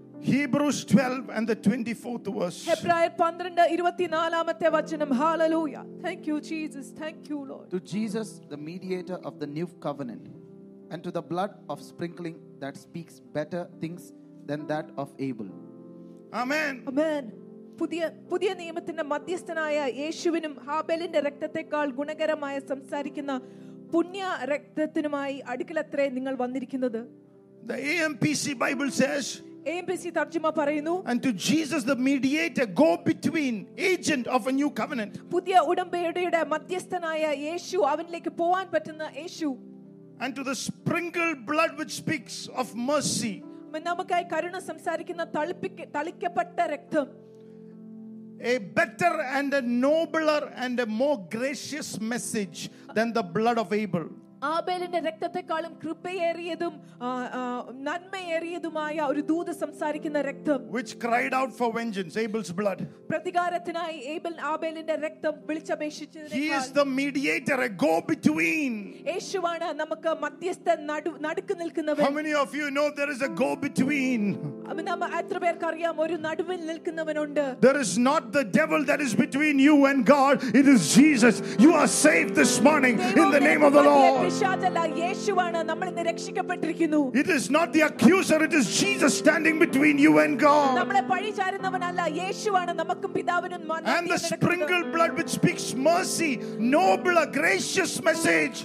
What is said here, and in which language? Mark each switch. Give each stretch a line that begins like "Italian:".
English: Hebrews 12 and the 24th verse. Hebrews 12:24
Malayalam: amate vachanam.
English: Hallelujah. Thank you Jesus. Thank you Lord. To Jesus the mediator of the new covenant, and to the blood of sprinkling that speaks better things than that of Abel. Amen. Amen.
Malayalam: പുതിയ നിയമത്തിന്റെ മധ്യസ്ഥനായ യേശുവിനും ഹാബെലിന്റെ രക്തത്തെക്കാൾ ഗുണകരമായ സംസാരിക്കുന്ന പുണ്യ രക്തത്തിനുമായി അടുക്കളത്രേ നിങ്ങൾ വന്നിരിക്കുന്നത്.
English: The AMPC Bible says,
Malayalam: AMPC tarjuma parayunu,
English: and to Jesus the mediator, go between agent of a new covenant.
Malayalam: പുതിയ ഉടമ്പടിയുടെ മധ്യസ്ഥനായ യേശു അവനിലേക്ക് പോവാൻ പറ്റുന്ന യേശു.
English: And to the sprinkled blood which speaks of mercy.
Malayalam: നമുക്കായി കരുണ സംസാരിക്കുന്ന തളിക്കപ്പെട്ട രക്തം.
English: A better and a nobler and a more gracious message than the blood of Abel.
Malayalam: ആബേലിന്റെ രക്തത്തെക്കാളും കൃപയേറിയതും നന്മയേറിയതുമായ ഒരു ദൂത സംസാരിക്കുന്ന രക്തം.
English: Which cried out for vengeance, Abel's blood.
Malayalam: പ്രതികാരത്തിനായി ആബേലിന്റെ രക്തം വിളിച്ചപേക്ഷിച്ചതിനേക്കാൾ.
English: He is the mediator, a go between.
Malayalam: യേശുവാണ് നമുക്ക് മധ്യസ്ഥൻ, നടുക്ക് നിൽക്കുന്നവൻ.
English: How many of you know there is a go between?
Malayalam: നമ്മ എത്ര പേർക്കറിയാം ഒരു നടുവിൽ നിൽക്കുന്നവനുണ്ട്.
English: There is not the devil that is between you and God, it is Jesus. You are saved this morning in the name of the Lord. It is not the accuser, it is Jesus standing between you and God. And the sprinkled blood which speaks mercy, noble, gracious message.